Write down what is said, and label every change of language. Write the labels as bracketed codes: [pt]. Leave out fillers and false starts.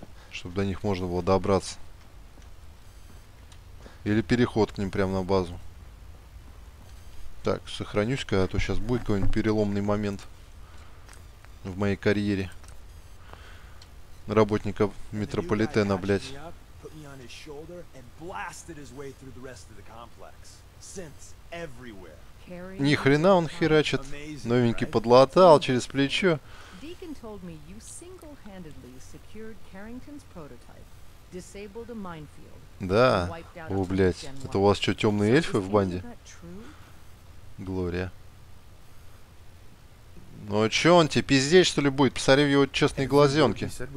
[ru] Чтобы до них можно было добраться. Или переход к ним прямо на базу. Так, сохранюсь-ка, а то сейчас будет какой-нибудь переломный момент в моей карьере. Работника метрополитена, блядь. [en] Ricky on his shoulder and blasted his way through the rest of the complex. Synths everywhere. [ru] Ни хрена он херачит. Новенький подлатал через плечо. [en] Deacon told me you single-handedly secured Carrington's prototype, disabled a minefield. [ru] Да. О, блять. Это у вас что, темные эльфы в банде? Глория. Ну а чё он тебе, пиздец что ли будет? Посмотри в его честные глазенки.